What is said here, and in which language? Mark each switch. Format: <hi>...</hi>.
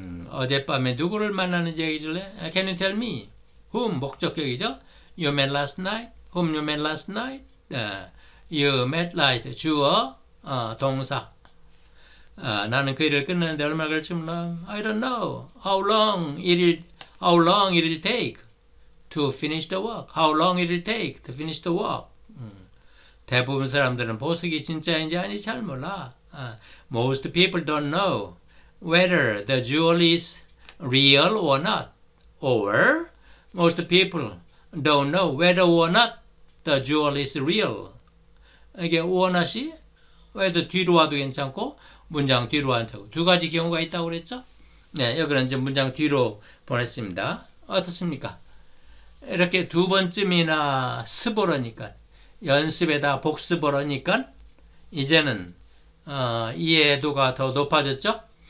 <ko>어젯밤에 누구를 만나는지 얘기해줄래?</ko> <en>Can you tell me? Whom?</en> <ko>목적격이죠.</ko> <en>You met last night? Whom you met last night? You met last</en> <ko>주어 동사. 나는 그 일을 끝내는데 얼마 걸릴지 몰라.</ko> <en>I don't know. How long it will take to finish the work? How long it will take to finish the work?</en> <ko>대부분 사람들은 보석이 진짜인지 아닌지 잘 몰라.</ko> <en>Most people don't know whether the jewel is real or not. Or most people don't know whether or not the jewel is real.</en> <ko>이게 or not이 whether 뒤로 와도 괜찮고 문장 뒤로 한다고. 두 가지 경우가 있다고 그랬죠? 네, 여기는 이제 문장 뒤로 보냈습니다. 어떻습니까? 이렇게 두 번쯤이나 습으라니까, 연습에다 복습을 하니까, 이제는, 이해도가 더 높아졌죠?</ko>